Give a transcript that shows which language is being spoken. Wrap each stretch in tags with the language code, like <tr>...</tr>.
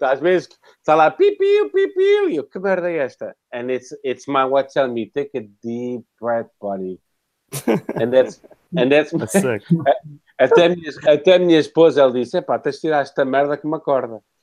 <pt>Às vezes está lá pipiu, pipiu, e que merda é esta?</pt> <en>And it's my wife telling me, take a deep breath, buddy. That's sick.</en> <pt>Até minha esposa, ela disse, epá, tens de tirar esta merda que me acorda.</pt>